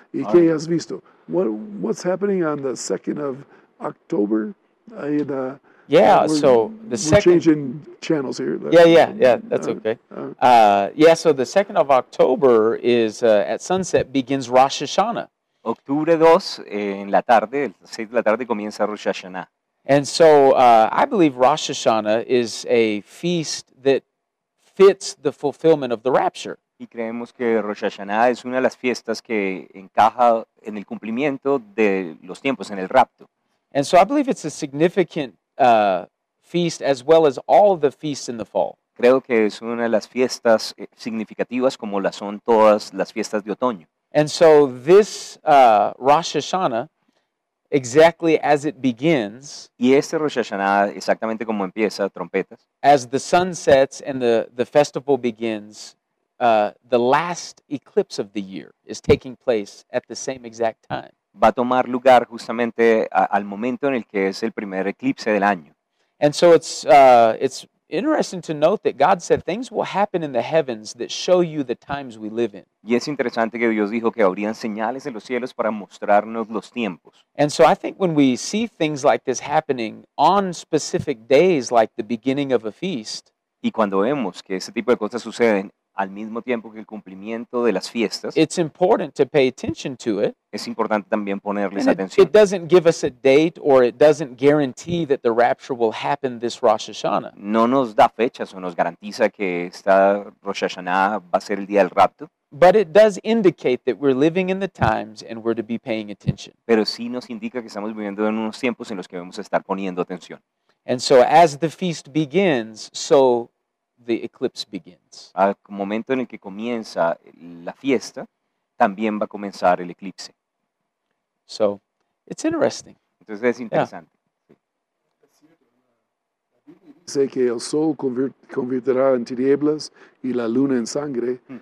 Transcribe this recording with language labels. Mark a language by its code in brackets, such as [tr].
[es] ¿Y qué has visto? [en] What's happening on the 2nd of October? Changing channels here. So the 2nd of October is at sunset begins Rosh Hashanah. [es] Octubre 2, en la tarde, el 6 de la tarde comienza Rosh Hashanah. [en] And so I believe Rosh Hashanah is a feast that fits the fulfillment of the rapture. [es] Y creemos que Rosh Hashanah es una de las fiestas que encaja en el cumplimiento de los tiempos, en el rapto. [en] And so I believe it's a significant feast as well as all the feasts in the fall. [es] Creo que es una de las fiestas significativas como las son todas las fiestas de otoño. [en] And so this Rosh Hashanah, exactly as it begins, [es] y este Rosh Hashanah, exactamente como empieza, trompetas, [en] as the sun sets and the festival begins, the last eclipse of the year is taking place at the same exact time. [es] Va a tomar lugar justamente al momento en el que es el primer eclipse del año. [en] And so it's interesting to note that God said things will happen in the heavens that show you the times we live in. [es] Y es interesante que Dios dijo que habrían señales en los cielos para mostrarnos los tiempos. [en] And so I think when we see things like this happening on specific days like the beginning of a feast, [es] y cuando vemos que ese tipo de cosas suceden al mismo tiempo que el cumplimiento de las fiestas, [en] it's important to pay attention to it. [es] Es importante también ponerles atención. [en] It doesn't give us a date or it doesn't guarantee that the rapture will happen this Rosh Hashanah. [es] No nos da fechas o nos garantiza que esta Rosh Hashanah va a ser el día del rapto. [en] But it does indicate that we're living in the times and we're to be paying attention. [es] Pero sí nos indica que estamos viviendo en unos tiempos en los que vamos a estar poniendo atención. [en] And so as the feast begins, so the eclipse begins. [es] Al momento en el que comienza la fiesta, también va a comenzar el eclipse. [en] So, it's interesting. [es] Entonces es interesante. [en] Yeah. [es] Dice que el sol convertirá en tinieblas y la luna en sangre.